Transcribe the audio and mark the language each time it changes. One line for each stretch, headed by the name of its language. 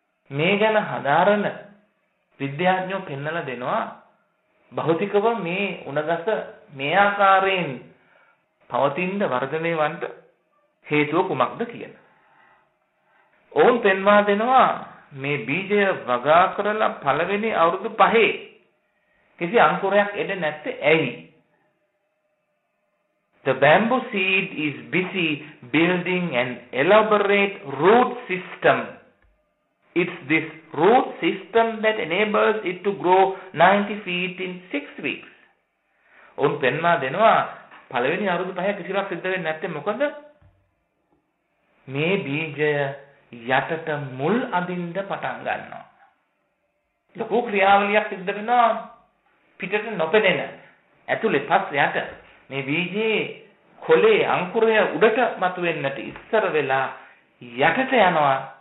Sinhala: මේ ගැන හදාරන විද්‍යාඥයෝ පෙන්වලා දෙනවා භෞතිකව මේ උණගස මේ ආකාරයෙන් පවතින වර්ධනය වන්ට හේතුව කුමක්ද කියන. ඔවුන් පෙන්වා දෙනවා මේ බීජය වගා කරලා පළවෙනි අවුරුදු 5 කිසි අංකුරයක් එන්නේ නැත්තේ ඇයි?
English: The bamboo seed is busy building an elaborate root system. It's this root system that enables it to grow 90 feet in 6 weeks.
Sinhala: ඔවුන් පෙන්වා දෙනවා පළවෙනි අවුරුදු 5 කිසිවක් සිද්ධ වෙන්නේ නැත්තේ මොකද? මේ බීජය යටට මුල් අඳින්න පටන් ගන්නවා. ලොකු ක්‍රියාවලියක් සිද්ධ වෙනවා පිටට නොපෙනෙන. ඇතුලේ පස්සේ යට මේ බීජේ කොළේ අංකුරය උඩට මතුවෙන්නට ඉස්සර වෙලා යටට යනවා.